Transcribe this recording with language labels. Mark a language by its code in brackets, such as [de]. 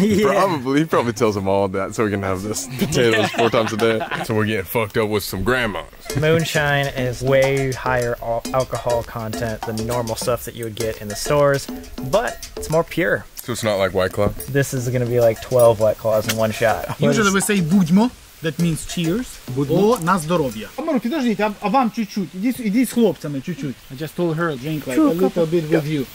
[en] He probably tells them all that so we can have this potatoes 4 times a day. So we're getting fucked up with some grandmas. Moonshine is way higher alcohol content than normal stuff that you would get in the stores, but it's more pure. So it's not like White Claw? This is gonna be like 12 White Claws in one shot. Usually we say budьмо. That means cheers. [uk] Будьмо на здоров'я. Амару, підождіть, а вам чуть-чуть. Іди з хлопцями чуть-чуть. [en] I just told her drink like a little bit with you.